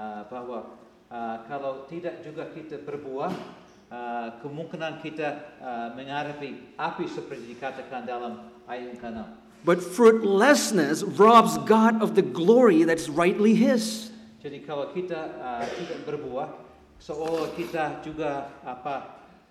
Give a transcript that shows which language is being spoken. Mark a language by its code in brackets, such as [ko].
[id] Bahwa kalau tidak juga kita berbuah, kemungkinan kita menghadapi api seperti dikatakan dalam ayat ke-6. [en] But fruitlessness robs God of the glory that's rightly His. [id] Jadi kalau kita tidak berbuah, seolah kita juga apa?